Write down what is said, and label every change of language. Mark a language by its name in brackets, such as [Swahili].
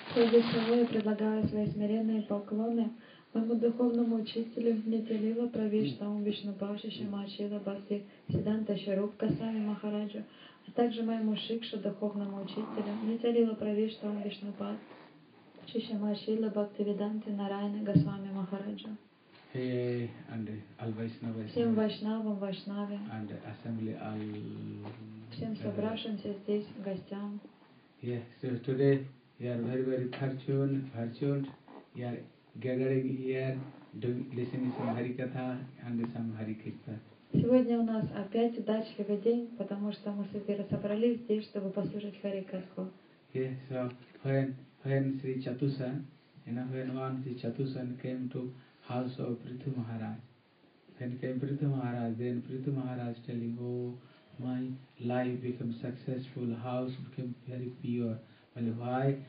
[Russian] Прежде всего я предлагаю свои смиренные поклоны моему духовному учителю Нитилила Парвишасала Вишнупавшиши Махачила Бхакти Сиддханта Сирупа Госвами Махараджу, а также моему шикше духовному учителю Нитилила Парвишасала Вишнупад Чиши Махачила Бхактивиданте Нараяна Госвами Махараджу. [English] Hey, and all Vaishnavas. [Russian] Всем Вайшнавам, Вайшнаве. [English] And assembly all... [Russian] Всем собравшимся здесь гостям. [English] Yeah, so today you are very, very fortunate. You are gathering here, listening some Harikatha and some Harikrishna. [Russian] Сегодня у нас опять удачливый день, потому что мы с Эфира собрались здесь, чтобы послушать Харикатху. [English] Yeah, so when Sri Chatusan, you know, when one Sri Chatusan came to house of Prithu Maharaj, when came Prithu Maharaj, then Prithu Maharaj telling, oh, my life became successful, house became very pure. Well, why?